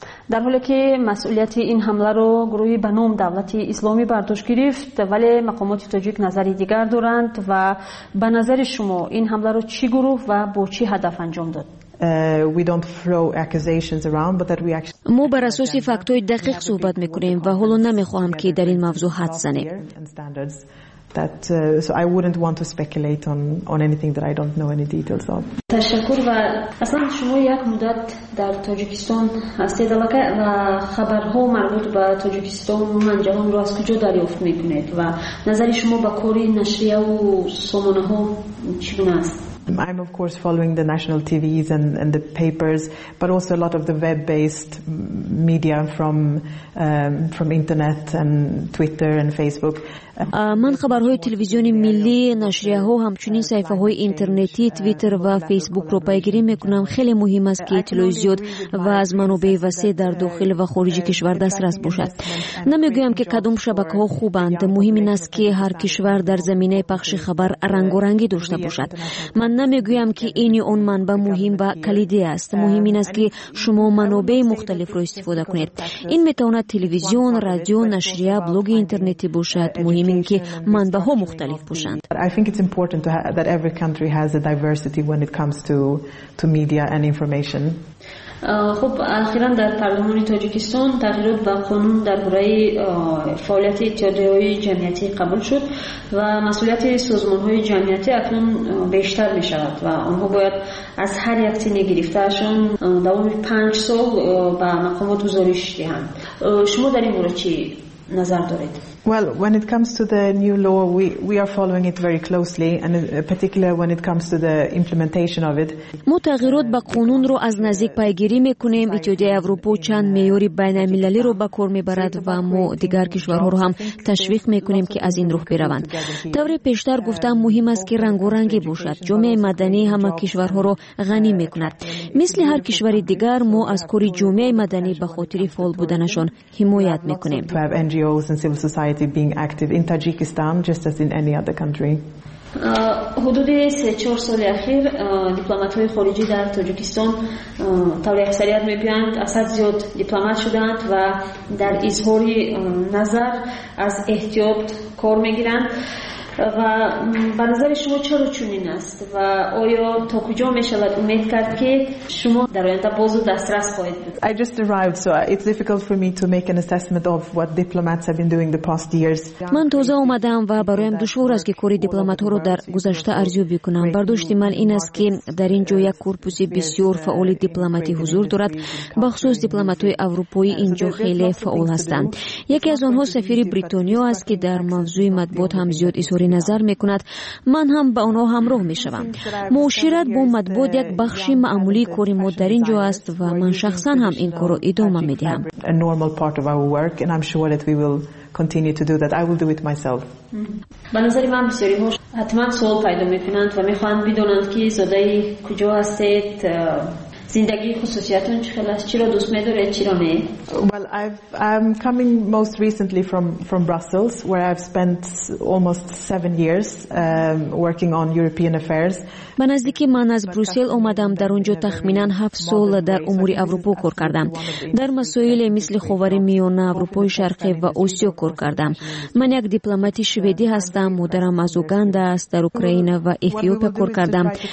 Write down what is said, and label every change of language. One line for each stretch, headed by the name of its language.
Persian: در حالی که مسئولیت این حمله را گروه به نام دولت اسلامی برداشت گرفت، ولی مقامات تاجیک نظری دیگر دارند و به نظر شما این حمله را چی گروه و با چی هدف انجام داد؟
English: We don't throw accusations around, but that we actually.
Persian: ما بر اساس فکت‌های دقیق صحبت میکنیم و حالا نمیخواهم که در این موضوع حد زنیم.
English: So I wouldn't want to speculate on anything that I don't know any details of.
Persian: تشکر. و اصلا شما یک مدت در تاجیکستان هستید الکه و خبرها مربوط به تاجیکستان من جهان رو از کجا دریافت میکنید و نظر شما به کار نشریه و سامانه ها چگونه است؟
English: I'm of course following the national TVs and the papers, but also a lot of the web-based media from internet and Twitter and Facebook.
Persian: من خبرهای تلویزیون ملی، نشریه‌ها، همچنین صفحه‌های اینترنتی، تویتر و فیسبوک رو پیگیری میکنم. خیلی مهم است که اطلاع زیاد و از منابع وسیع در داخل و خارج کشور دسترس باشد. نمیگویم که کدام شبکه‌ها خوبند، مهم این است که هر کشور در زمینه پخش خبر رنگارنگی داشته باشد. من نمیگویم که این یا آن منبع مهم و کلیدی است، مهم این است که شما منابع مختلف را استفاده کنید. این میتواند تلویزیون، رادیو، نشریه، بلوگ اینترنتی باشد. مهم این که منبع ها مختلف باشند.
English: I think it's important that every country has a diversity when it comes to media and information.
Persian: خب اخیرا در پارلمان تاجیکستان تغییرات به قانون درباره فعالیت اتحادیه‌های جمعیتی قبول شد و مسئولیت سازمان‌های جمعیتی اکنون بیشتر می‌شود و آنها باید از هر یک تنی گرفته‌شان دوام 5 سال به مقامات گزارش دهند. شما در این مورد چی نظر دارید؟
English: Well, when it comes to the new law, we are following it very closely, and particularly when it comes to the implementation of it.
Tajik: Мо тағйирот ба қонун ро аз назик пайгирӣ мекунем. Иттиҳодияи Аврупо чанд меъёри байналмилалӣ ро ба кор мебарад ва мо дигар кишварҳоро ҳам ташвиқ мекунем ки аз ин роҳ бираванд. Тавре пештар гуфтам, муҳим аст ки рангоранги бошад. Ҷомеаи мадани ҳама кишварҳоро ғанӣ мекунад. Мисли ҳар кишвари дигар, мо аз кори ҷомеаи мадани ба хотири фаъол буданашон ҳимоят мекунем.
English: Society being active in Tajikistan just as in any other country.
Tajik: Ҳудуди 3-4 соли ахир дипломатҳои хориҷӣ дар Тоҷикистон тавре аксарият мебиянд, асад зиёд дипломат шуданд ва дар изҳори назар аз эҳтиёт кор мегиранд. Ва ба назари шумо чаро чунин аст ва оё то куҷо мешавад умед кард ки шумо дар оянда бозу дастрас хоҳед буд?
English: I just arrived, so it's difficult for me to make an assessment of what diplomats have been doing the past years.
Tajik: Ман тоза омадам ва бароям душвор аст ки кори дипломатҳоро дар гузашта арзёбӣ кунам. Бардошти ман ин аст ки дар ин ҷо як корпуси бисёр фаъоли дипломатӣ ҳузур дорад, бахусус дипломатҳои аврупоӣ ин ҷо хеле фаъол ҳастанд. Яке аз онҳо сафири Бритониё аст ки дар мавзӯи матбуот ҳам зиёд ҳори назар мекунад. Ман ҳам ба онҳо ҳамроҳ мешавам. Муошират бо матбуот як бахши маъмулӣ кори мо дар ин ҷо аст ва ман шахсан ҳам ин корро идома медиҳам.
English: Normal part of our work and I'm sure that we will continue to do that. I will do it myself.
Tajik: Ба назари ман бисёри мо ҳатман суол пайдо мекунанд ва мехоҳанд бидонанд ки зодаи куҷо ҳастед,
Persian: زندگی خصوصیتون چه خیلی است؟ چی رو دوست میدارید؟ چی رو نه؟
English: Well, I'm coming most recently from Brussels, where I've spent almost 7 years working on European affairs.
Persian: من از دیکی من از بروسل اومدم در اونجا تخمیناً 7 سال در امور اروپا کار کردم. در مسائل مثل خاورمیانه، اروپای شرقی و آسیا کار کردم. من یک دیپلماتی شویدی هستم، مادرم از اوگاندا است، در اوکراین و اتیوپی کار کردم.